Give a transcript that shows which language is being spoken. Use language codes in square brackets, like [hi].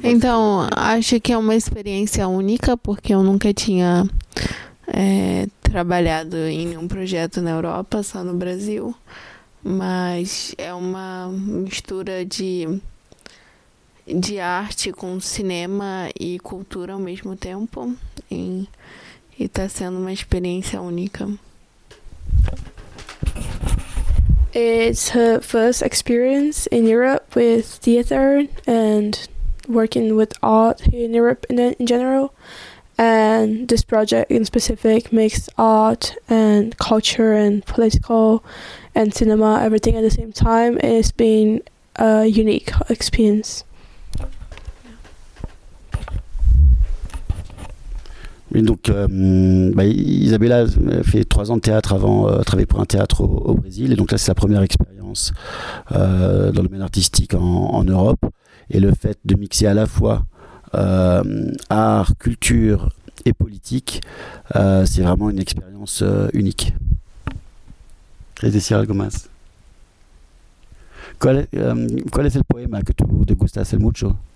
[pt] Então, acho que é uma experiência única, porque eu nunca tinha trabalhado em um projeto na Europa, só no Brasil. Mas é uma mistura de arte com cinema e cultura ao mesmo tempo. E está sendo uma experiência única. [en] It's her first experience in Europe with theater and working with art here in Europe in general. And this project in specific makes art and culture and political and cinema, everything at the same time. It's been a unique experience. [fr] Et donc, Isabella fait 3 ans de théâtre avant de travailler pour un théâtre au Brésil. Et donc là, c'est sa première expérience dans le domaine artistique en Europe. Et le fait de mixer à la fois art, culture et politique, c'est vraiment une expérience unique. Et c'est Cyril Gomez. [es] ¿Cuál es el poema que tú te gustas el mucho?